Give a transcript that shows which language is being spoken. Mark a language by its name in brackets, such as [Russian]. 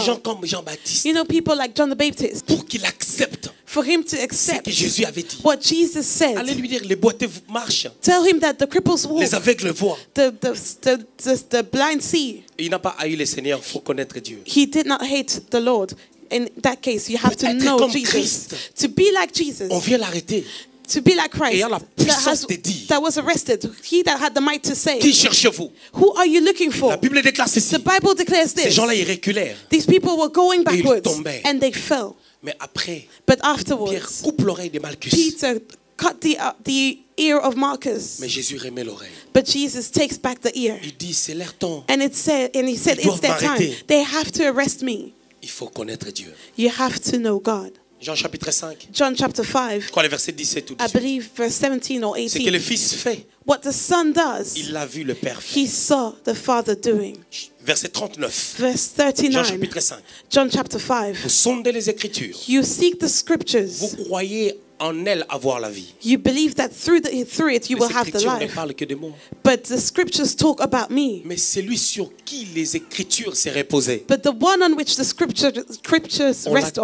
[French] Des gens comme Jean-Baptiste. [English] You know people like John the Baptist. [French] Pour qu'il accepte. [English] for him to accept [French] ce que Jésus avait dit. [English] What Jesus said. [French] Allez lui dire, les boiteux marchent. [English] Tell him that the cripples walk. [French] Les aveugles voient. [English] The blind see. [French] Il n'a pas haï le Seigneur, faut connaître Dieu. [English] He did not hate the Lord. In that case, you have to know Jesus. Christ. To be like Jesus. [French] On vient l'arrêter. [English] To be like Christ. [French] Ayant la puissance de dire. [English] That was arrested. He that had the might to say. [French] Qui cherchez-vous? [English] Who are you looking for? [French] La Bible déclare ceci. [English] The Bible declares this. [French] Ces gens-là ils reculèrent. [English] These people were going backwards. [French] Et ils tombaient. [English] And they fell. [French] Mais après. [English] But afterwards. [French] Pierre coupe l'oreille de Malchus. [English] Peter cut the ear of Marcus. [French] Mais Jésus remet l'oreille. [English] But Jesus takes back the ear. [French] Il dit c'est leur temps. [English] And it said and he said [French] ils [English] it's their [French] m'arrêter. [English] Time. They have to arrest me. [French] Il faut connaître Dieu. [English] You have to know God. [French] Jean chapitre 5. [English] John chapter 5. [French] Je crois le verset 17 ou 18. [English] I believe verse 17 or 18. [French] C'est que le Fils fait. [English] What the Son does. [French] Il l'a vu le Père. [English] He saw the Father doing. [French] Verset 39. [English] Verse 39. [French] Jean chapitre 5. [English] John chapter 5. [French] Vous sondez les Écritures. [English] You seek the Scriptures. [French] Vous croyez en elles avoir la vie. [English] You believe that through it you will have the life. [French] Les Écritures ne parlent que de moi. [English] But the Scriptures talk about me. [French] Mais c'est lui sur qui les Écritures s'est reposées. [English] But the one on which the scriptures rest on.